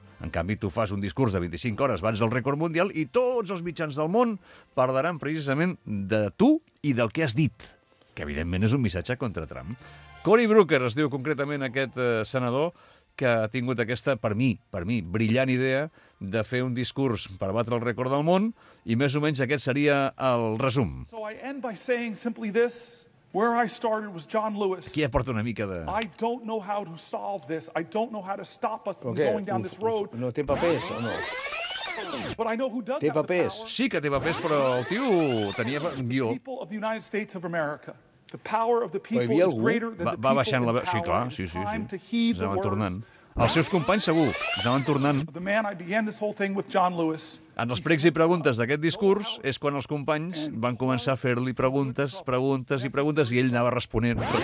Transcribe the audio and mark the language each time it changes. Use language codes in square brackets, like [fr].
[ca] En canvi, tu fas un discurs de 25 hores abans del rècord mundial i tots els mitjans del món parlaran precisament de tu i del que has dit, que evidentment és un missatge contra Trump. Cory Booker es diu concretament aquest senador, que ha tingut aquesta, per mi, brillant idea de fer un discurs per batre el rècord del món, i més o menys aquest seria el resum. [en] So I end by saying simply this, where I started was John Lewis. [ca] Aquí aporta una mica de... [en] I don't know how to solve this, I don't know how to stop us from going down this road. [ca] No té papers, o no? [en] But I know who does [ca] té papers. Sí que té papers, però el tio tenia guió. [en] The people of the United States of America. The power of the people is greater than [ca] va [en] the people's power. Sí, time to heed the words. [ca] Els seus companys, segur, estaven tornant. En els pregs i preguntes d'aquest discurs és quan els companys van començar a fer-li preguntes, i ell anava responent.